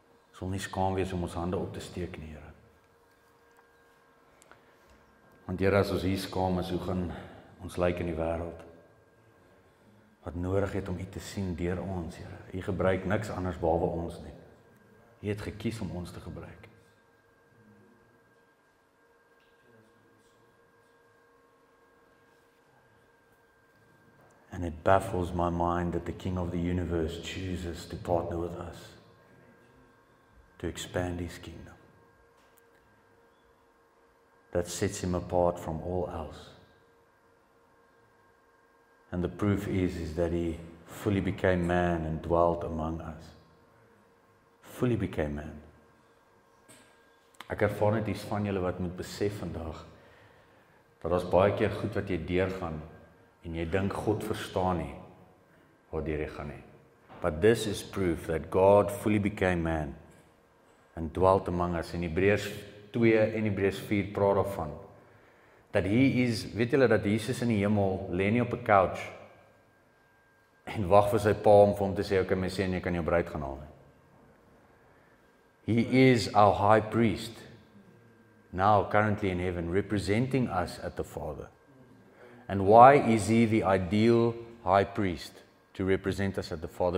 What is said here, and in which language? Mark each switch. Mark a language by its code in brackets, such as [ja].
[af] Ons wil nie skaam wees om ons hande op te steek nie, Here. Want Here, as ons hier skaam is, hoe gaan ons lyk in die wêreld? Wat nodig het om U te sien deur ons, Here. U gebruik niks anders behalwe ons nie. U het gekies om ons te gebruik. [en] And it baffles my mind that the King of the universe chooses to partner with us to expand His kingdom. That sets Him apart from all else. And the proof is that He fully became man and dwelt among us. Fully became man. [af] Ek ervaar net iets van julle wat moet besef vandag, dat as baie keer goed wat jy deurgaan, en jy dink God verstaan nie, wat deur jy gaan nie. [en] But this is proof that God fully became man, and dwelt among us. [af] In Hebreërs 2 en Hebreërs 4 praat daarvan, dat [en] He is, [af] weet julle dat Jesus in die hemel, lê nie op 'n couch, en wag vir sy pa om vir hom te sê, okay, my seun, jy kan jou bruid gaan haal. [en] He is our high priest, now currently in heaven, representing us at the Father. And why is He the ideal high priest to represent us at the Father?